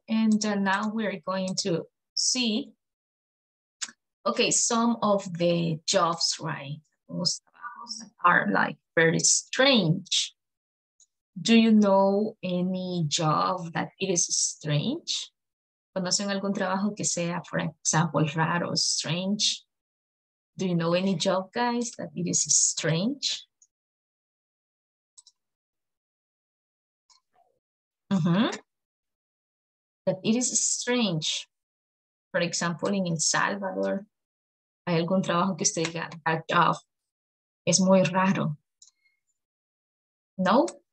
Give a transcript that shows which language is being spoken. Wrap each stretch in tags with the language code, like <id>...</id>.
<en>And now we're going to see, okay, some of the jobs, right? Most are like very strange. Do you know any job that it is strange?</en> <es>¿Conocen algún trabajo que sea,</es> <en>for example,</en> <es>raro, strange?</es> <en>Do you know any job, guys, that it is strange? Mm-hmm. That it is strange. For example, in</en> <es>El Salvador, ¿hay algún trabajo que usted diga</es> <en>that job?</en> <es>Es muy raro. No?</es>